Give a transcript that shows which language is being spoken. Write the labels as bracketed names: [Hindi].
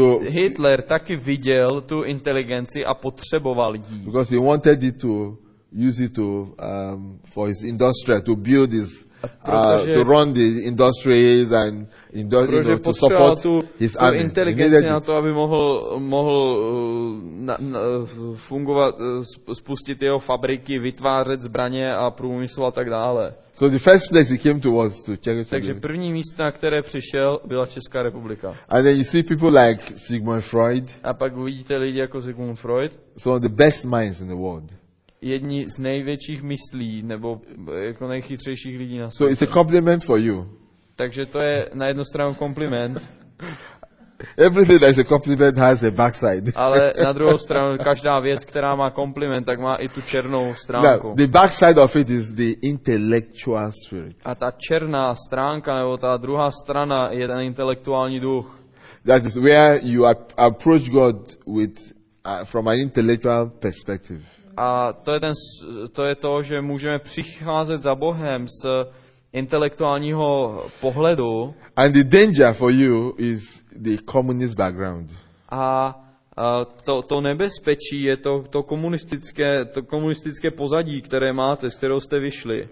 [Czech] Hitler taky viděl tu inteligenci a potřeboval ji. [English] Because he wanted it to use it to for his industry, to build his to run the industry and to support his army. [Czech] Protože potřeboval tu inteligenci na to, aby mohl fungovat, spustit jeho fabriky, vytvářet zbraně a průmysl a tak dále. [English] So the first place he came to was to Czech Republic. [Czech] Takže první místo, na které přišel, byla Česká republika. [English] And then you see people like Sigmund Freud. [Czech] A pak uvidíte lidi jako Sigmund Freud. [English] Some of the best minds in the world. [Czech] Jedni z největších myslí nebo jako nejchytřejších lidí na světě. [English] So it's a compliment for you. [Czech] Takže to je na jednu stranu kompliment. [English] Everything that is a compliment has a backside. [Czech] Ale na druhou stranu každá věc, která má kompliment, tak má i tu černou stránku. [English] Now, the backside of it is the intellectual spirit. [Czech] A ta černá stránka nebo ta druhá strana je ten intelektuální duch. [English] That is where you approach God with from an intellectual perspective. [Czech] A to je to, že můžeme přicházet za Bohem z intelektuálního pohledu. [English] And the danger for you is the communist background. [Czech] A to nebezpečí je to komunistické pozadí, které máte, z kterého jste vyšli.